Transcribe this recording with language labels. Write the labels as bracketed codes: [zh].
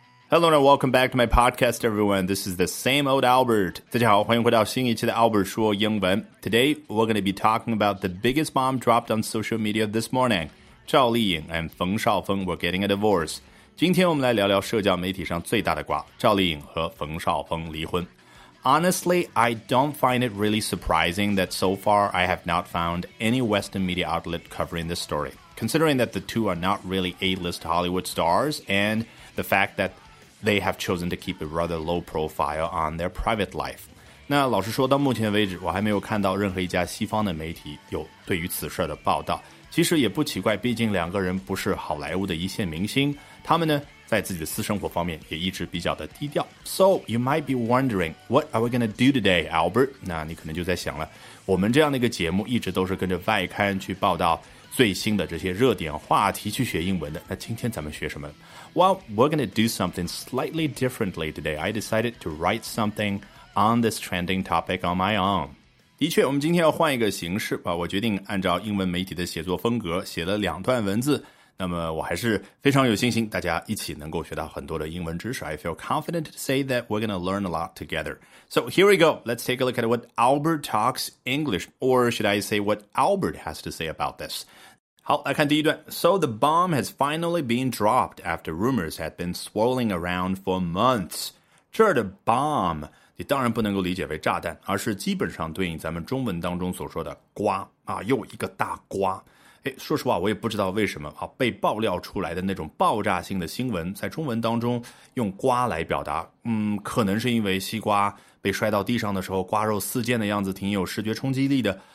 [en] Hello and welcome back to my podcast, everyone. This is the same old Albert. [zh] 大家好，欢迎回到新一期的 Albert 说英文。 [en] Today, we're going to be talking about the biggest bomb dropped on social media this morning. 赵丽颖 and 冯绍峰 were getting a divorce. [zh] 今天我们来聊聊社交媒体上最大的瓜，赵丽颖和冯绍峰离婚。 [en] Honestly, I don't find it really surprising that so far I have not found any Western media outlet covering this story, considering that the two are not really A-list Hollywood stars and the fact thatThey have chosen to keep a rather low profile on their private life. [zh] 那老实说，到目前为止，我还没有看到任何一家西方的媒体有对于此事的报道。其实也不奇怪，毕竟两个人不是好莱坞的一线明星，他们呢，在自己的私生活方面也一直比较的低调。 [en] So you might be wondering, what are we going to do today, Albert? [zh] 那你可能就在想了，我们这样的一个节目一直都是跟着外刊去报道最新的这些热点话题去学英文的，那今天咱们学什么？ [en] Well, we're going to do something slightly differently today. I decided to write something on this trending topic on my own. [zh] 的确，我们今天要换一个形式吧。我决定按照英文媒体的写作风格写了两段文字。那么我还是非常有信心大家一起能够学到很多的英文知识。 [en] I feel confident to say that we're going to learn a lot together. So here we go. Let's take a look at what Albert talks English, or should I say what Albert has to say about this. [zh] 好，来看第一段。 [en] So the bomb has finally been dropped after rumors had been swirling around for months. [zh] 这儿的 bomb, 你当然不能够理解为炸弹，而是基本上对应咱们中文当中所说的瓜啊，又一个大瓜。哎，说实话，我也不知道为什么啊，被爆料出来的那种爆炸性的新闻，在中文当中用瓜来表达，可能是因为西瓜被摔到地上的时候，瓜肉四溅的样子挺有视觉冲击力的。